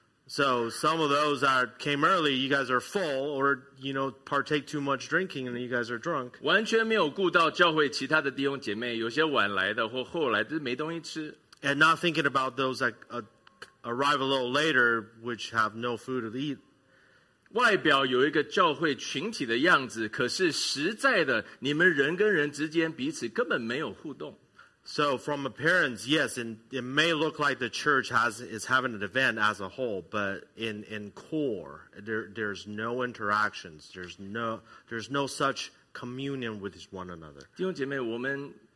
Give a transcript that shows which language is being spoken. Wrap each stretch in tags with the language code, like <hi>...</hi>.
<en>So some of those that came early, you guys are full, or you know, partake too much drinking, and you guys are drunk.</en> <zh>完全没有顾到教会其他的弟兄姐妹，有些晚来的或后来就没东西吃。</zh> <en>And not thinking about those that arrive a little later, which have no food to eat.</en> <zh>外表有一个教会群体的样子，可是实在的，你们人跟人之间彼此根本没有互动。</zh> <en>So from appearance, yes, and it may look like the church is having an event as a whole, but in core, there's no interactions, there's no such communion with one another.</en>